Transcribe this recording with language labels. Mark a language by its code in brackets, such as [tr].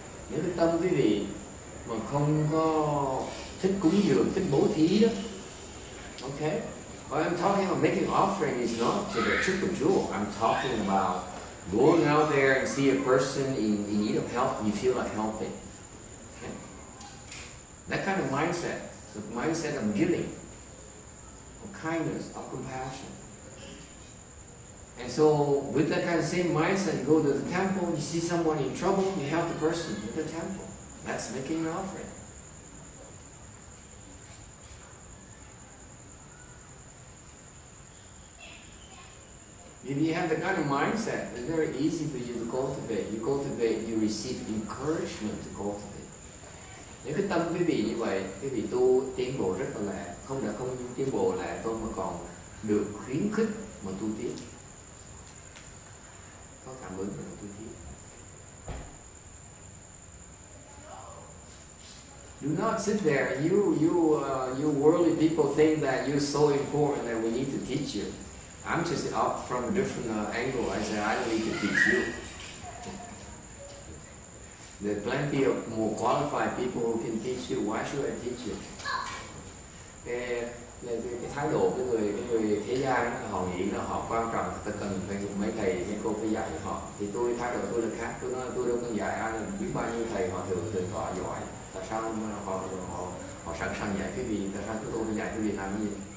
[vi] Nếu cái tâm quý vị mà không có thích cúng dường, thích bố thí đó, okay? [en] What I'm talking about making offering is not to the triple jewel. I'm talking about going out there and see a person in need of help, and you feel like helping. Okay? That kind of mindset. The mindset of giving, of kindness, of compassion. And so with that kind of same mindset, you go to the temple, you see someone in trouble, you help the person in the temple. That's making an offering. If you have the kind of mindset, it's very easy for you to cultivate. You cultivate, you receive encouragement to cultivate. [vi] Nếu cái tâm quý vị như vậy, quý vị tu tiến bộ rất là lẹ. Không là không tiến bộ lẹ thôi mà còn được khuyến khích mà tu tiến. Có cảm ơn mà tu tiến. [en] Do not sit there. You worldly people think that you're so important that we need to teach you. I'm just up from a different angle. I said, I don't need to teach you. There are plenty of more qualified people who can teach you. Why should I teach you? [vi] Cái thái độ của người thế gian đó, họ nghĩ là họ quan trọng, ta cần phải dùng mấy thầy, mấy cô phải dạy họ. Thì tôi thái độ tôi là khác. Tôi nói tôi đâu cần dạy ai, biết bao nhiêu thầy họ thường thường họ giỏi. Tại sao họ sẵn sàng dạy cái gì? Tại sao tôi phải dạy cái gì làm gì?